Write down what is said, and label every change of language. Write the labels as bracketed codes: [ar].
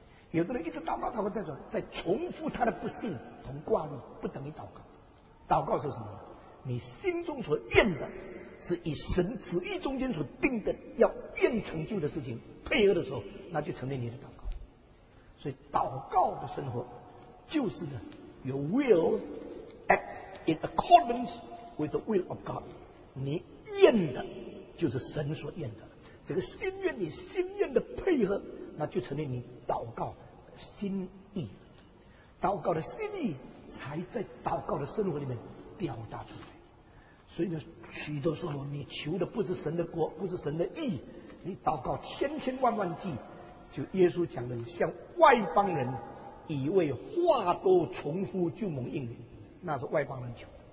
[zh] 有的人一直祷告祷告，在重复他的不幸同挂念，不等于祷告。祷告是什么？你心中所愿的，是以神旨意中间所定的要愿成就的事情配合的时候，那就成为你的祷告。所以祷告的生活就是呢， [en] your will act in accordance with the will of God。 [zh] 你愿的就是神所愿的，这个心愿你心愿的配合，那就成为你祷告心意。祷告的心意才在祷告的生活里面表达出来。所以呢，许多时候你求的不是神的国，不是神的意，你祷告千千万万计，就耶稣讲的，像外邦人以为话都重复就蒙应允，那是外邦人求。